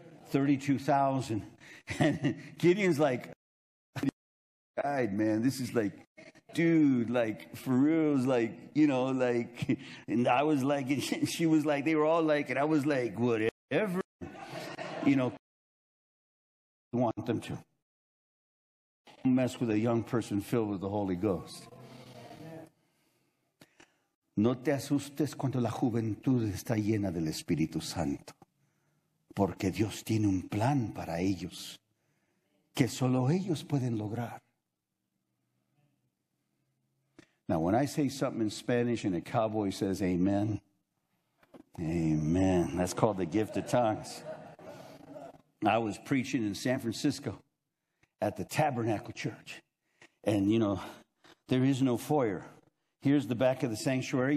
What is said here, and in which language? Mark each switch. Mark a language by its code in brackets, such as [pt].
[en] 32,000. And Gideon's like, God, man, this is like, dude, like, for real, was like, you know, like, and I was like, and she was like, they were all like, and I was like, whatever, you know, want them to. Don't mess with a young person filled with the Holy Ghost. [es] No te asustes cuando la juventud está llena del Espíritu Santo, porque Dios tiene un plan para ellos que solo ellos pueden lograr. [en] Now, when I say something in Spanish and a cowboy says amen, amen, that's called the gift of tongues. I was preaching in San Francisco at the Tabernacle Church. And, you know, there is no foyer. Here's the back of the sanctuary.